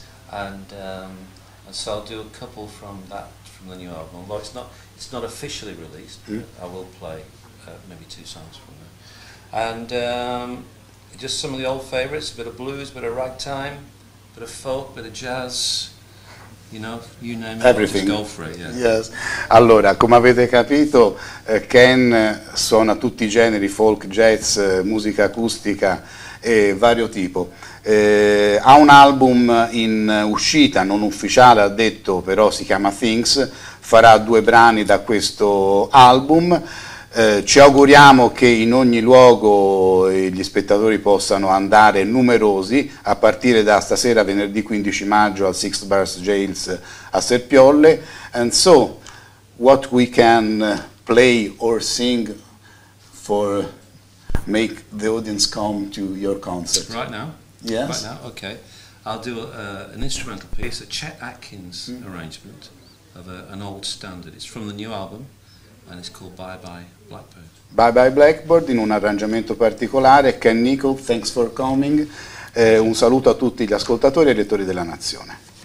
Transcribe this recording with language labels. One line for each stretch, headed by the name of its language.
English: And so I'll do a couple from that. From the new album, although it's not officially released, but I will play maybe two songs from it. And just some of the old favourites, a bit of blues, a bit of ragtime, a bit of folk, a bit of jazz, you name everything. It, just go for it. Yeah. Yes.
Italian: Allora, come avete capito, Ken suona tutti i generi, folk, jazz, musica acustica e vario tipo. Ha un album in uscita, non ufficiale, ha detto, però si chiama Things, farà due brani da questo album. Ci auguriamo che in ogni luogo gli spettatori possano andare numerosi, a partire da stasera, venerdì 15 maggio, al Sixth Bars Jails a Serpiolle.
English: And so, what we can play or sing for make the audience come to your concert? Right now? Yes. Right now, okay. I'll do an instrumental piece, a Chet Atkins arrangement of an old standard. It's from the new album, and it's called Bye Bye Blackbird.
Italian: Bye Bye Blackbird, in un arrangiamento particolare. Ken Nicole,
English: thanks for coming.
Italian: Un saluto a tutti gli ascoltatori e lettori della Nazione.